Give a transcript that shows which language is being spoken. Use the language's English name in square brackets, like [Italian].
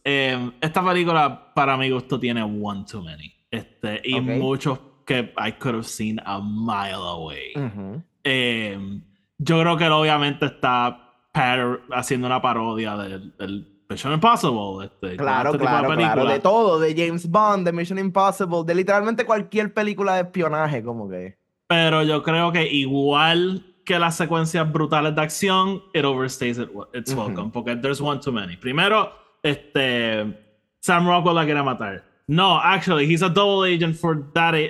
[Spanish] Esta película, para mi gusto, tiene [English] one too many. [Spanish] Y okay. Muchos que [English] I could have seen a mile away. Uh-huh. [Spanish] Yo creo que él obviamente está haciendo una parodia del Mission Impossible. De todo, de James Bond, de Mission Impossible, de literalmente cualquier película de espionaje, como que. Pero yo creo que igual que las secuencias brutales de acción, [English] it overstays its welcome, [Spanish] porque [English] there's one too many. [Spanish] Primero, Sam Rockwell la quiere matar. [English] No, actually, he's a double agent for that.